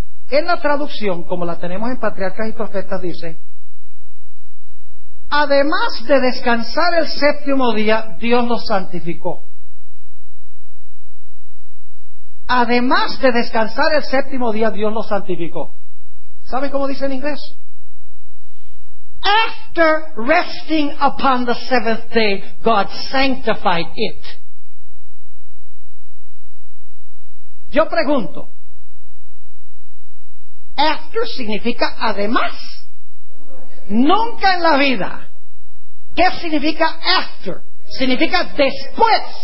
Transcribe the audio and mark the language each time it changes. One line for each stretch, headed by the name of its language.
Spanish: En la traducción, como la tenemos en Patriarcas y Profetas, dice: además de descansar el séptimo día, Dios lo santificó. Además de descansar el séptimo día, Dios lo santificó. ¿Saben cómo dice en inglés?
English: After resting upon the seventh day, God sanctified it.
Spanish: Yo pregunto, after significa además. Nunca en la vida. ¿Qué significa after? Significa después.